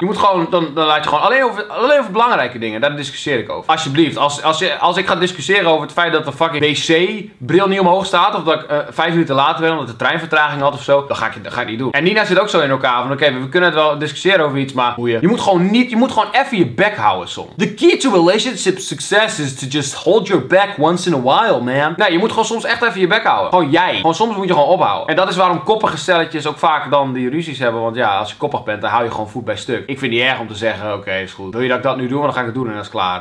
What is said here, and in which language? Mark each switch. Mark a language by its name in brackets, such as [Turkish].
[Dutch] Je moet gewoon, dan laat je gewoon alleen over belangrijke dingen, daar discussieer ik over. Alsjeblieft, als ik ga discussiëren over het feit dat de fucking wc-bril niet omhoog staat, of dat ik 5 minuten later ben omdat de trein vertraging had of zo, dan ga ik niet doen. En Nina zit ook zo in elkaar van, oké, we kunnen het wel discussiëren over iets, maar boeien. Je moet gewoon even je bek houden soms. [English] The key to relationship success is to just hold your back once in a while, man. [Dutch] Nee, je moet gewoon soms echt even je bek houden. Gewoon jij. Gewoon soms moet je gewoon ophouden. En dat is waarom koppige stelletjes ook vaak dan die ruzies hebben. Want ja, als je koppig bent, dan hou je gewoon voet bij stuk. Ik vind het niet erg om te zeggen, oké, is goed. Wil je dat ik dat nu doe? Want dan ga ik het doen en dat is klaar.